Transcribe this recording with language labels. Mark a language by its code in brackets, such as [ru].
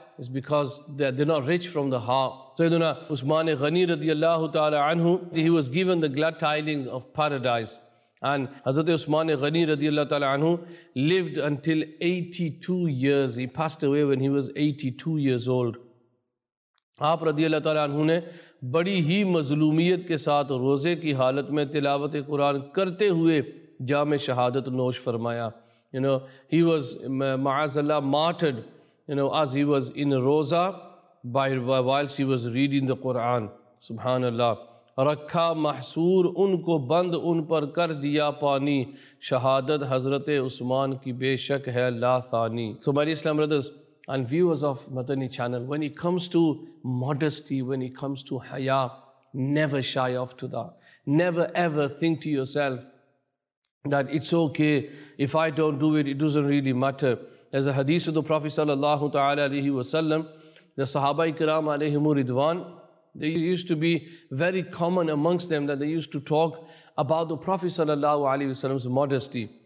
[en] It's because they're not rich from the heart. Sayyiduna Usman Ghani radiallahu ta'ala anhu, he was given the glad tidings of paradise. And Hazrat Usman Ghani radiallahu ta'ala anhu lived until 82 years. He passed away when he was 82 years old. [ur] آپ رضی اللہ تعالیٰ عنہ نے بڑی ہی مظلومیت کے ساتھ روزے کی حالت میں تلاوت قرآن کرتے ہوئے جام شہادت نوش فرمایا. [en] You know he was معاذ اللہ martyred, you know, as he was in روزہ while he was reading the Quran. سبحان اللہ. [ur] رکھا محصور ان کو بند, ان پر کر دیا پانی, شہادت حضرت عثمان کی بے شک ہے لا ثانی. [en] so [ur] میری [en] Islam brothers and viewers of Madani channel, when it comes to modesty, when it comes to haya, never shy off to that. Never ever think to yourself that it's okay, if I don't do it, it doesn't really matter. There's a hadith of the Prophet sallallahu ta'ala alayhi wa sallam, the sahaba ikram alayhimu ridwan, they used to be very common amongst them that they used to talk about the Prophet sallallahu alayhi wa sallam's modesty.